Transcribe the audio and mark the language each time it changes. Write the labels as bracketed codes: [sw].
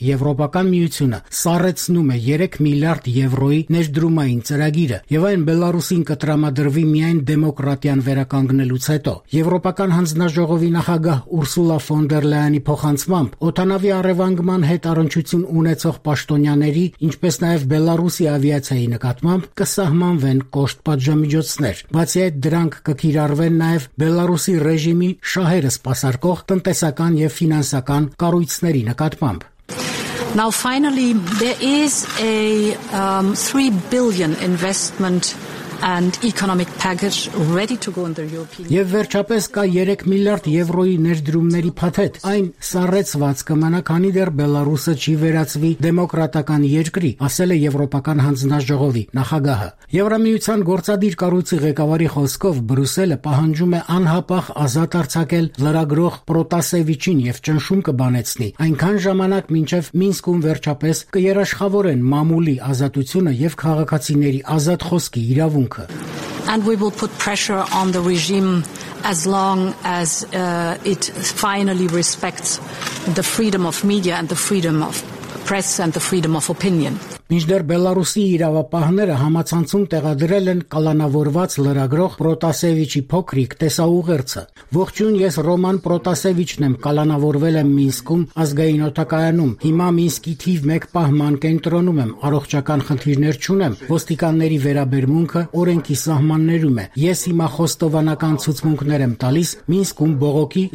[hy] Եվրոպական միությունը սառեցնում է 3 միլիարդ եվրոյի ներդրումային ծրագիրը, և այն Բելարուսին կտրամադրվի միայն դեմոկրատիան վերականգնելուց հետո։ Եվրոպական հանձնաժողովի նախագահ Ուրսուլա ֆոն դեր Լայանի փոխանցմամբ օթանավի առևանգման հետ առնչություն ունեցող պաշտոնյաների, ինչպես նաև Բելարուսի ավիացիայի նկատմամբ, կսահմանվեն կոշտ պատժամիջոցներ։ Բացի այդ, դրանք կկիրառվեն նաև Բելարուսի ռեժիմի շահերը սպասարկող տնտեսական և ֆինանսական կառույցների նկատմամբ։ [en] Now finally, there is a 3 billion investment and economic package ready to go under European. [hy] Եվ վերջապես կա 3 միլիարդ եվրոյի ներդրումների փաթեթ, այն սառեցված կմնա, քանի դեռ Բելարուսը չի վերածվի դեմոկրատական երկրի, ասել է Եվրոպական հանձնաժողովի նախագահը։ Եվրամիության գործադիր կառույցի ղեկավարի խոսքով Բրյուսելը պահանջում է անհապաղ ազատ արձակել լրագրող Պրոտասևիչին եւ ճնշում կբանեցնի, այնքան ժամանակ, մինչեւ Մինսկում վերջապես կերաշխավորեն մամուլի ազատությունը եւ քաղաքացիների ազատ խոսքի իրավունքը։ [en] And we will put pressure on the regime as long as it finally respects the freedom of media and the freedom of press and the freedom of opinion. [hy] Մինչդեռ Բելարուսի իրավապահները համացանցում տեղադրել են կալանավորված լրագրող Պրոտասևիչի փոքրիկ տեսաուղերձը։ Ողջույն, ես Ռոման Պրոտասևիչն եմ, կալանավորվել եմ Մինսկում ազգային օդակայանում։ Հիմա Մինսկի թիվ 1 պահման կենտրոնում եմ, առողջական խնդիրներ չունեմ, ոստիկանների վերաբերմունքը օրենքի սահմաններում է։ Ես հիմա խոստովանական ցուցմունքներ եմ տալիս Մինսկում բողոքի